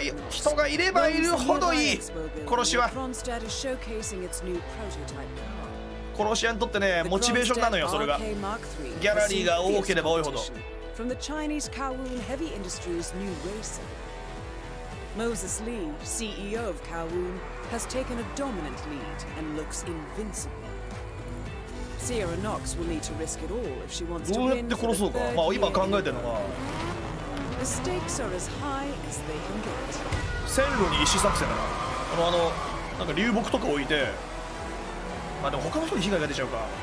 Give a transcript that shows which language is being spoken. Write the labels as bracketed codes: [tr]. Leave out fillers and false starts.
[ja] 人がいればいるほどいい。殺しは。殺しにとってね、モチベーションなのよ、それが。ギャラリーが多ければ多いほど。 [en] From the Chinese Kowloon Heavy Industries new racerMoses Lee, CEO of Kowloon, has taken a dominant lead and looks invincible. Sierra Knox will need to risk it all if she wants to win the third year. [ja] まあ今考えてるのは。 [en] The stakes are as high as they can get. [ja] 線路に石作戦だな。あのなんか流木とか置いて。まあでも他の人に被害が出ちゃうか。